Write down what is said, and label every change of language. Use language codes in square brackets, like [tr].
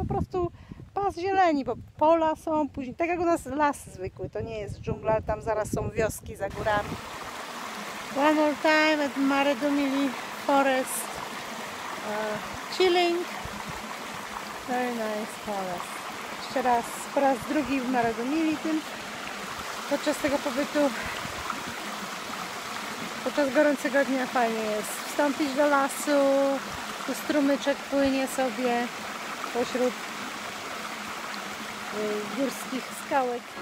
[pl] Po prostu pas zieleni, bo pola są później, tak jak u nas las zwykły, to nie jest dżungla, tam zaraz są wioski za górami. [en] One more time at Mare do Mili Forest, chilling, very nice forest. [pl] Jeszcze raz, po raz drugi w Mare do Mili tym, podczas tego pobytu, podczas gorącego dnia fajnie jest wstąpić do lasu, tu strumyczek płynie sobie pośród górskich skałek.